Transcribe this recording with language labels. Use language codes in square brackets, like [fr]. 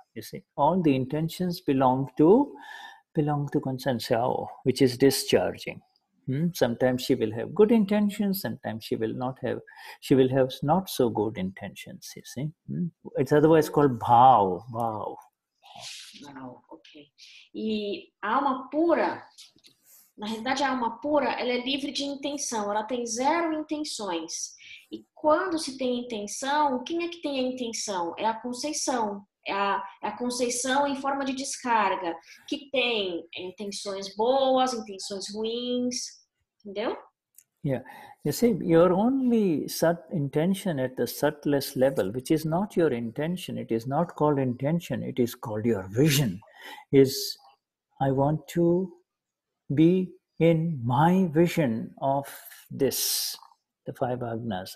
[en] You see, all the intentions belong to Consensio, which is discharging. Sometimes she will have good intentions, sometimes she will have not so good intentions, you see. It's otherwise called bhaav. Wow, ok. [pt] E a alma pura, na realidade a alma pura, ela é livre de intenção, ela tem zero intenções. E quando se tem intenção, quem é que tem a intenção? É a conceição. É a conceição em forma de descarga, que tem intenções boas, intenções ruins, entendeu? [en] Yeah. You see, your only sat intention at the subtlest level, which is not your intention, it is not called intention, it is called your vision, is I want to be in my vision of this, the five agnas.